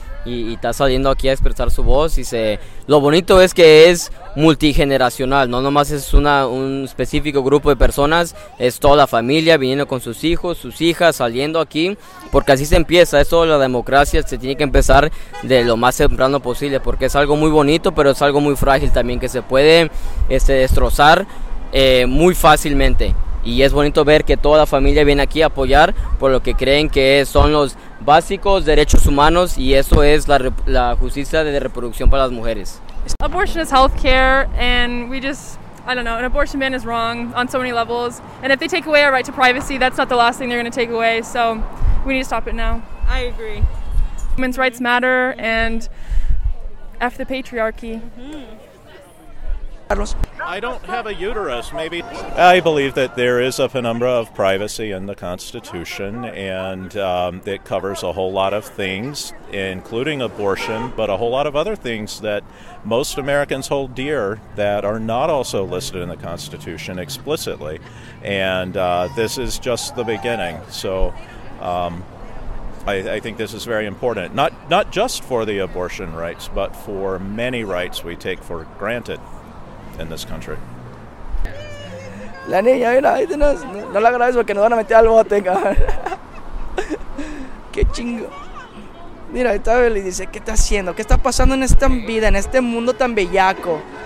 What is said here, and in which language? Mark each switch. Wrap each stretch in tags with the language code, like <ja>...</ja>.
<es>Y está saliendo aquí a expresar su voz y lo bonito es que es multigeneracional, no nomás es un específico grupo de personas, es toda la familia viniendo con sus hijos, sus hijas, saliendo aquí, porque así se empieza, es toda la democracia, se tiene que empezar de lo más temprano posible, porque es algo muy bonito, pero es algo muy frágil también, que se puede destrozar muy fácilmente. Y es bonito ver que toda la familia viene aquí a apoyar por lo que creen que son los básicos derechos humanos, y eso es la justicia de reproducción para las mujeres.</es> <en>Abortion is healthcare, and we just, I don't know, an abortion ban is wrong on so many levels. And if they take away our right to privacy, that's not the last thing they're going to take away. So We need to stop it now. I agree. Women's rights matter, and F the patriarchy. I don't have a uterus, maybe. I believe that there is a penumbra of privacy in the Constitution, and it covers a whole lot of things, including abortion, but a whole lot of other things that most Americans hold dear that are not also listed in the Constitution explicitly. And this is just the beginning. So I think this is very important, not just for the abortion rights, but for many rights we take for granted in this country.</en> <es>La niña, mira, ahí tenés, no la grabes porque nos van a meter al bote, cabrón. Qué chingo. Mira, ahí está Beli, dice, ¿qué está haciendo? ¿Qué está pasando en esta vida, en este mundo tan bellaco?</es>